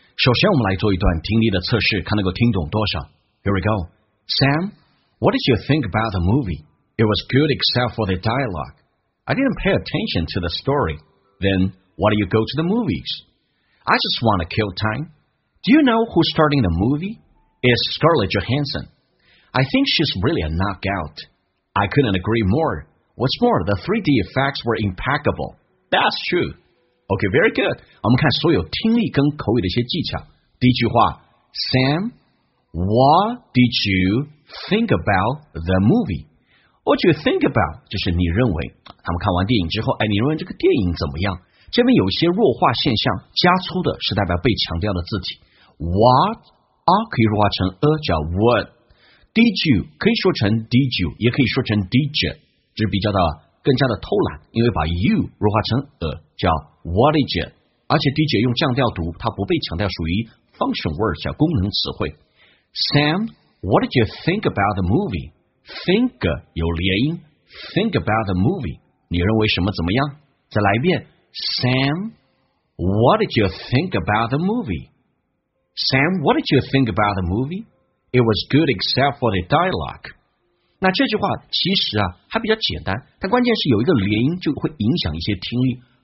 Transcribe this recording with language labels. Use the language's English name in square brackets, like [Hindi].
[Chinese] 首先我们来做一段听力的测试，看能够听懂多少。 [English] Here we go. Sam, what did you think about the movie? It was good except for the dialogue. I didn't pay attention to the story. Then, why do you go to the movies? I just want to kill time. Do you know who's starting the movie? It's Scarlett Johansson. I think she's really a knockout. I couldn't agree more. What's more, the 3D effects were impeccable. That's true. Okay, very good. [Chinese] 我们看所有听力跟口语的一些技巧。第一句话 [English] ，Sam, what did you think about the movie? What did you think about? [Chinese] 就是你认为，他们看完电影之后，哎，你认为这个电影怎么样？这边有一些弱化现象，加粗的是代表被强调的字体。 What 啊可以弱化成叫 what. Did you 可以说成 did you， 也可以说成 did you， 就是比较的。更加的偷懒，因为把 you 弱化成叫 [English] what did you， [Chinese] 而且 did you 用降调读，它不被强调，属于 function word 叫功能词汇。 [English] Sam, what did you think about the movie? Think 有连音 ，think about the movie， [Chinese] 你认为什么怎么样？再来一遍 [English] ，Sam, what did you think about the movie? Sam, what did you think about the movie? It was good except for the dialogue. [Chinese] 那这句话其实啊还比较简单，但关键是有一个连音就会影响一些听力。